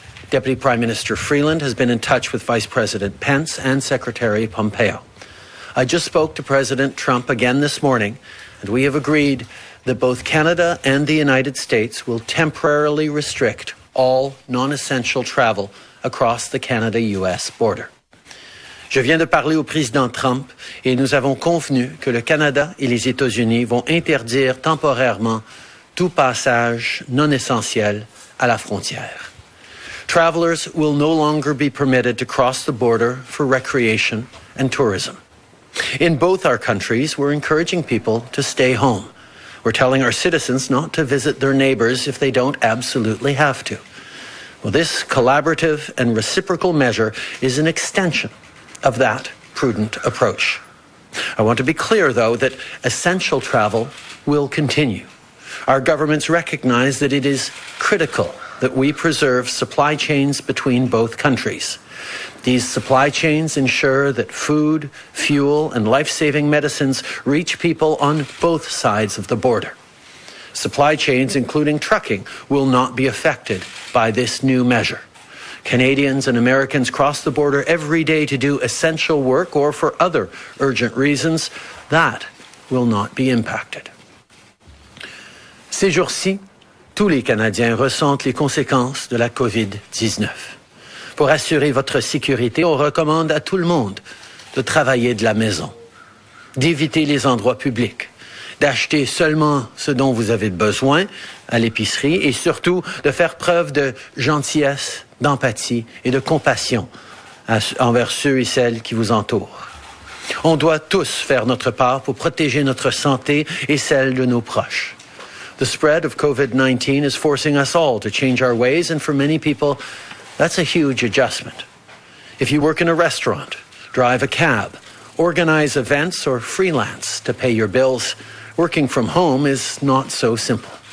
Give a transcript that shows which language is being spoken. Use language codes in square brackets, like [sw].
[en] Deputy Prime Minister Freeland has been in touch with Vice President Pence and Secretary Pompeo. I just spoke to President Trump again this morning, and we have agreed that both Canada and the United States will temporarily restrict all non-essential travel across the Canada-US border. [fr] Je viens de parler au président Trump et nous avons convenu que le Canada et les États-Unis vont interdire temporairement tout passage non essentiel à la frontière. [en] Travelers will no longer be permitted to cross the border for recreation and tourism. In both our countries, we're encouraging people to stay home. We're telling our citizens not to visit their neighbors if they don't absolutely have to. Well, this collaborative and reciprocal measure is an extension of that prudent approach. I want to be clear, though, that essential travel will continue. Our governments recognize that it is critical that we preserve supply chains between both countries. These supply chains ensure that food, fuel, and life-saving medicines reach people on both sides of the border. Supply chains, including trucking, will not be affected by this new measure. Canadians and Americans cross the border every day to do essential work or for other urgent reasons. That will not be impacted. [fr] Ces jours-ci, tous les Canadiens ressentent les conséquences de la COVID-19. Pour assurer votre sécurité, on recommande à tout le monde de travailler de la maison, d'éviter les endroits publics, d'acheter seulement ce dont vous avez besoin à l'épicerie et surtout de faire preuve de gentillesse, d'empathie et de compassion envers ceux et celles qui vous entourent. On doit tous faire notre part pour protéger notre santé et celle de nos proches. [en] The spread of COVID-19 is forcing us all to change our ways, and for many people, that's a huge adjustment. If you work in a restaurant, drive a cab, organize events, or freelance to pay your bills, working from home is not so simple.